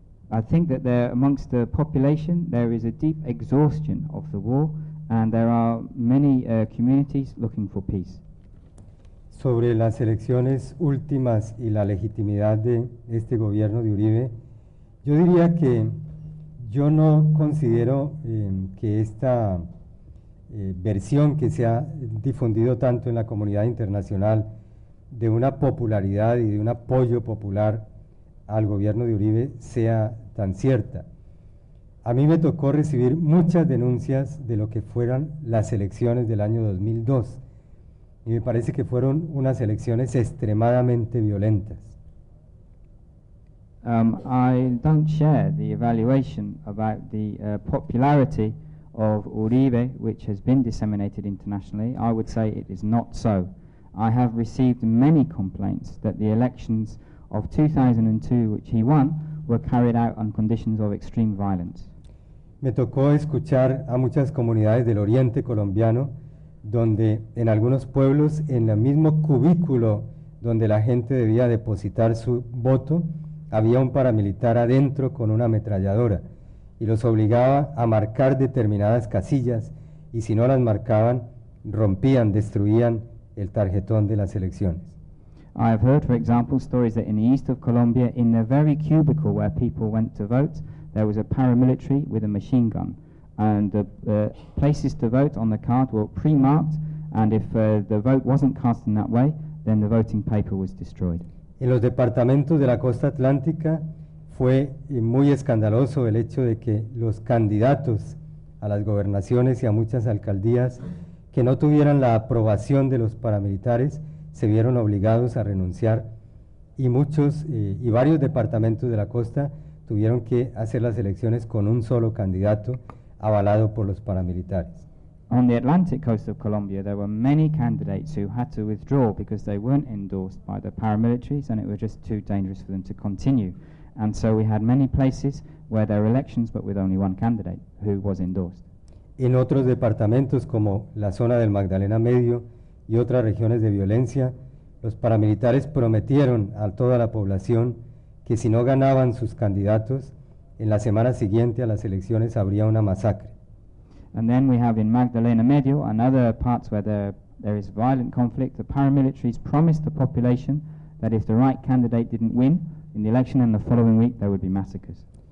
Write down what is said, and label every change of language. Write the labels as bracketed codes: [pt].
[en] I think that there, amongst the population, there is a deep exhaustion of the war, and there are many communities looking for peace. [es] Sobre las elecciones últimas y la legitimidad de este gobierno de Uribe, yo diría que yo no considero que esta versión que se ha difundido tanto en la comunidad internacional de una popularidad y de un apoyo popular al gobierno de Uribe sea tan cierta. A mí me tocó recibir muchas denuncias de lo que fueron las elecciones del año 2002, y me parece que fueron unas elecciones extremadamente violentas. [en] I don't share the evaluation about the popularity of Uribe, which has been disseminated internationally. I would say it is not so. I have received many complaints that the elections of 2002, which he won, were carried out on conditions of extreme violence. [es] Me tocó escuchar a muchas comunidades del oriente colombiano, donde en algunos pueblos, en el mismo cubículo donde la gente debía depositar su voto, había un paramilitar adentro con una ametralladora y los obligaba a marcar determinadas casillas, y si no las marcaban, rompían, destruían el tarjetón de las elecciones. [en] I have heard, for example, stories that in the east of Colombia, in the very cubicle where people went to vote, there was a paramilitary with a machine gun. And the places to vote on the card were pre-marked, and if the vote wasn't cast in that way, then the voting paper was destroyed. [es] En los departamentos de la costa atlántica fue muy escandaloso el hecho de que los candidatos a las gobernaciones y a muchas alcaldías que no tuvieran la aprobación de los paramilitares se vieron obligados a renunciar, y muchos y varios departamentos de la costa tuvieron que hacer las elecciones con un solo candidato avalado por los paramilitares. [en] On the Atlantic coast of Colombia, there were many candidates who had to withdraw because they weren't endorsed by the paramilitaries and it was just too dangerous for them to continue. And so we had many places where there were elections but with only one candidate who was endorsed. [es] En otros departamentos como la zona del Magdalena Medio y otras regiones de violencia, los paramilitares prometieron a toda la población que si no ganaban sus candidatos, en la semana siguiente a las elecciones habría una masacre. [en] And then we have in Magdalena Medio and other parts where there is violent conflict, the paramilitaries promised the population that if the right candidate didn't win in the election and the following week there would be massacres.